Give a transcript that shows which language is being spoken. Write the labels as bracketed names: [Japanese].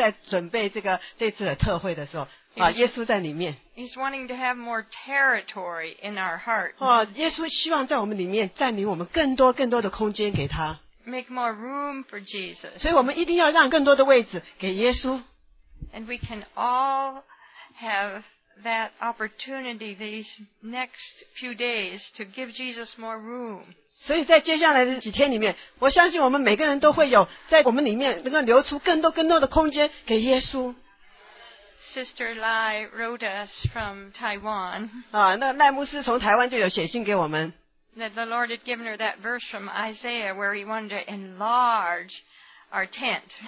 [Chinese] 我们的同工们他们都有这个经验在准备这个这次的特会的时候, [English] He's wanting to have more territory in our heart. [Chinese] 耶稣希望在我们里面占领我们更多更多的空间给他。 [English] Make more room for Jesus. [Chinese] 所以我们一定要让更多的位置给耶稣。 [English] And we can all have that opportunity these next few days to give Jesus more room. [Chinese] 所以在接下来的几天里面, 我相信我们每个人都会有在我们里面能够留出更多更多的空间给耶稣。 [English] Sister Lai wrote us from Taiwan. [Chinese] 那赖牧师从台湾就有写信给我们。 [English] That the Lord had given her that verse from Isaiah where he wanted to enlarge our tent.